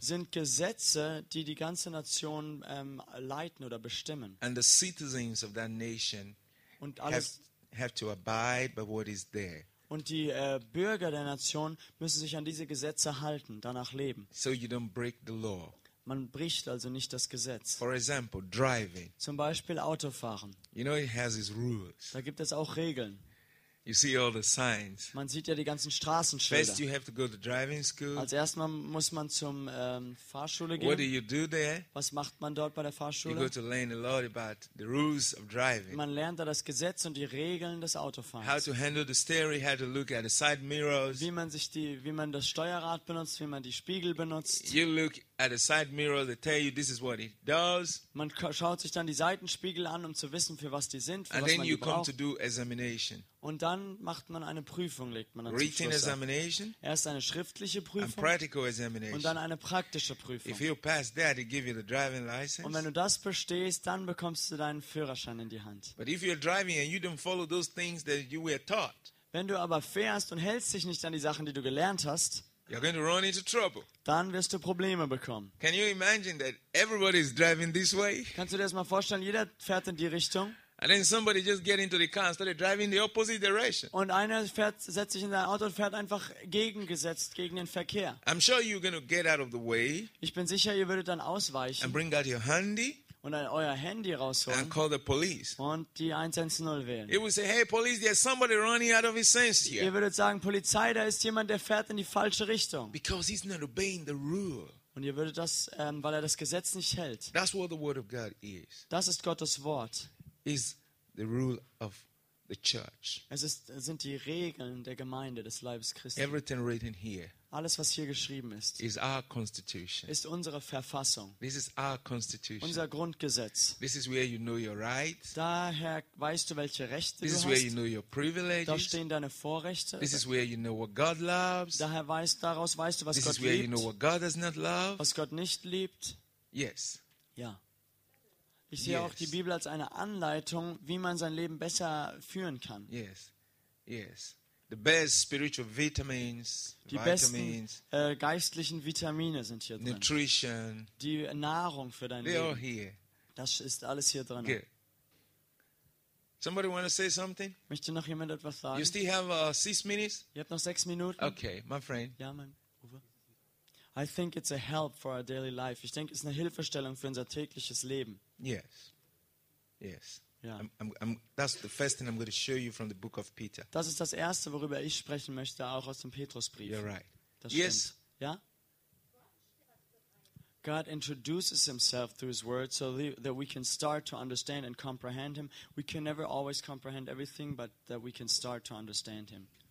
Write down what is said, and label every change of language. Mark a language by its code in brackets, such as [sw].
[de] Sind Gesetze, die die ganze Nation leiten oder bestimmen. [en] And the citizens of that nation. [de] Und alles. [en] Have to abide by what is there. [de] Und die Bürger der Nation müssen sich an diese Gesetze halten, danach leben. [en] So you don't break the law. [de] Man bricht also nicht das Gesetz. [en] For example, driving. [de] Zum Beispiel Autofahren. [en] You know it has its rules. [de] Da gibt es auch Regeln. [en] You see all the signs. [de] Man sieht ja die ganzen Straßenschilder. [en] First you have to go to driving school. [de] Als erstmal muss man zum Fahrschule gehen. [en] What do you do there? [de] Was macht man dort bei der Fahrschule? [en] You go to learn a lot about the rules of driving. [de] Man lernt da das Gesetz und die Regeln des Autofahrens. [en] How to handle the steering, how to look at the side mirrors. [de] Wie man das Steuerrad benutzt, wie man die Spiegel benutzt. [en] You look at the side mirror, they tell you this is what it does. [de] Man schaut sich dann die Seitenspiegel an, um zu wissen, für was die sind, für [en] and [de] was man [en] then you [de] die braucht. [en] Come to do examination. [de] Und dann dann macht man eine Prüfung, legt man dann zum Schluss [en] examination, [de] erst eine schriftliche Prüfung [en] and practical examination. [de] Und dann eine praktische Prüfung. [en] If you pass that, they give you the driving license. [de] Und wenn du das bestehst, dann bekommst du deinen Führerschein in die Hand. [en] But if you're driving and you don't follow those things that you were taught, [de] wenn du aber fährst und hältst dich nicht an die Sachen, die du gelernt hast, [en] you're going to run into trouble. [de] Dann wirst du Probleme bekommen. [en] Can you imagine that everybody is driving this way? [de] Kannst du dir das mal vorstellen? Jeder fährt in die Richtung. [en] And then somebody just get into the car and started driving the opposite direction. [de] Und einer fährt, setzt sich in sein Auto und fährt einfach gegengesetzt gegen den Verkehr. [en] I'm sure you're going to get out of the way. [de] Ich bin sicher, ihr würdet dann ausweichen. [en] And bring out your handy. [de] Und dann euer Handy rausholen. [en] And call the police. [de] Und die 110 wählen. [en] It would say, hey police, there's somebody running out of his sense here. [de] Ihr würdet sagen, Polizei, da ist jemand, der fährt in die falsche Richtung. [en] Because he's not obeying the rule. [de] Und ihr würdet das, weil er das Gesetz nicht hält. [en] That's what the word of God is. [de] Das ist Gottes Wort. [en] Is the rule of the church. [de] Es ist, sind die Regeln der Gemeinde des Leibes Christi. [en] Everything written here. [de] Alles, was hier geschrieben ist, [en] is our constitution. [de] Ist unsere Verfassung. [en] This is our constitution. [de] Unser Grundgesetz. [en] This is where you know your rights. [de] Daher weißt du, welche Rechte [en] this [de] du [en] is [de] hast. [en] Where you know your privileges. [de] Da stehen deine Vorrechte. [en] This is where you know what God loves. [de] Daher weißt, daraus weißt du, was [en] this [de] Gott [en] is where [de] liebt. [en] You know what God does not love. [de] Was Gott nicht liebt. [en] Yes. [de] Ja. Ich sehe auch die Bibel als eine Anleitung, wie man sein Leben besser führen kann. [en] Yes, yes. The best spiritual vitamins, [de] die besten geistlichen Vitamine sind hier drin. [en] Nutrition. [de] Die Nahrung für dein [en] they're [de] Leben. [en] All here. [de] Das ist alles hier drin. [en] Good. Somebody want to say something? [de] Möchte noch jemand etwas sagen? [en] You still have 6 minutes? [de] Ihr habt noch 6 Minuten. [en] Okay, my friend. [de] Ja, mein Bruder. [en] I think it's a help for our daily life. [de] Ich denke, es ist eine Hilfestellung für unser tägliches Leben. [en] Yes. Yes. Yeah. That's the first thing I'm going to show you from the book of Peter. [de] Das ist das erste, worüber ich sprechen möchte, auch aus dem Petrusbrief. [en] You're right. [de] Das yes. Stimmt. Ja? [en] God introduces himself through his word so that we can start to understand and comprehend him. We can never always comprehend everything, but that we can start to understand him.